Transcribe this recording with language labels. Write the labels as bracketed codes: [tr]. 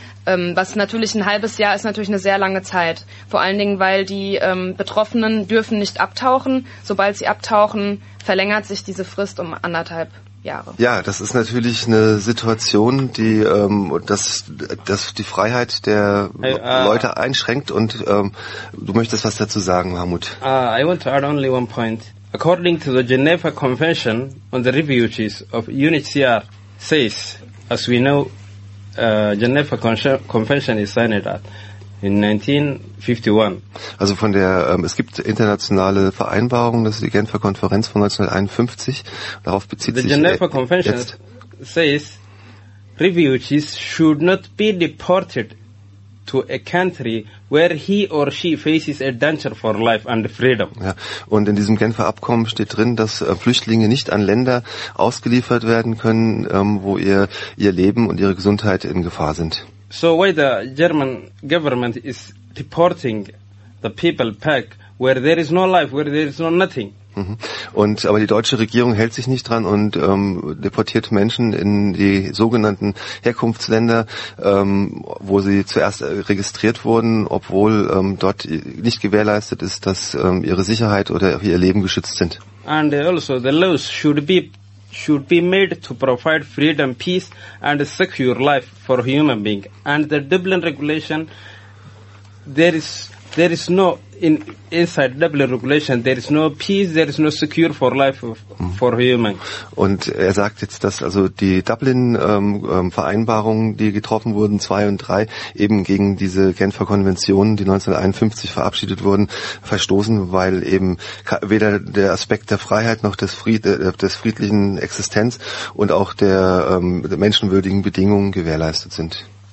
[de] Was natürlich ein halbes Jahr ist, natürlich eine sehr lange Zeit. Vor allen Dingen, weil die Betroffenen dürfen nicht abtauchen. Sobald sie abtauchen, verlängert sich diese Frist um anderthalb Jahre. Ja, das ist natürlich eine Situation, die dass die Freiheit der Leute einschränkt. Und du möchtest was dazu sagen, Mahmoud? [en] I want to add only one point. According to the Geneva Convention on the Refugees of UNHCR says, as we know, Geneva Convention is signed at. In 1951. [de] Also von der, es gibt internationale Vereinbarungen, das ist die Genfer Konferenz von 1951. Darauf bezieht sich jetzt. [en] The Geneva Convention says, refugees should not be deported to a country where he or she faces a danger for life and freedom. [de] Ja, und in diesem Genfer Abkommen steht drin, dass Flüchtlinge nicht an Länder ausgeliefert werden können, wo ihr Leben und ihre Gesundheit in Gefahr sind. [en] So why the German government is deporting the people back where there is no life, where there is no nothing. [de] Und aber die deutsche Regierung hält sich nicht dran und deportiert Menschen in die sogenannten Herkunftsländer, wo sie zuerst registriert wurden, obwohl dort nicht gewährleistet ist, dass ihre Sicherheit oder ihr Leben geschützt sind. [en] And also the laws should be made to provide freedom, peace and a secure life for human being. And the Dublin regulation, there is no, inside Dublin regulation, there is no peace, there is no secure for life for human. [de] Und er sagt jetzt, dass also die Dublin Vereinbarungen, die getroffen wurden, 2 und 3, eben gegen diese Genfer Konventionen, die 1951 verabschiedet wurden, verstoßen, weil eben weder der Aspekt der Freiheit noch des friedlichen Existenz und auch der menschenwürdigen Bedingungen gewährleistet sind.